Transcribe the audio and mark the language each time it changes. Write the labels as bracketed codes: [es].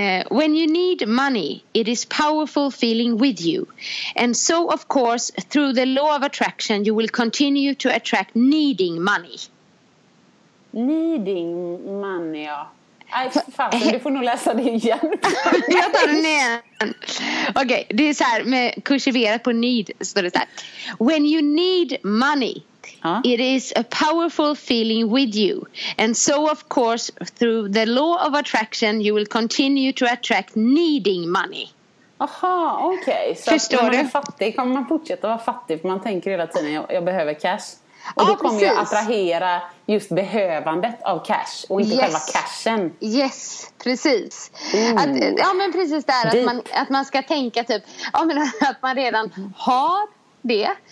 [en] When you need money, it is powerful feeling with you. And so of course, through the law of attraction, you will continue to attract needing money. Needing money, ja. [sv] Nej, fan, du får nog läsa det igen. Jag tar den igen. Okej, det är så här med kursiverat på need. Så det är så här. [en] When you need money, it is a powerful feeling with you. And so, of course, through the law of attraction, you will continue to attract needing money. [sv] Aha, okej. Okay. Förstår du? Så om man är fattig, kommer man fortsätta vara fattig? För man tänker hela tiden, jag behöver cash. Och då kommer jag attrahera just behövandet av cash och inte själva cashen. Yes, precis. Att, ja, men precis där att man, ska tänka typ, ja, men att man redan har det.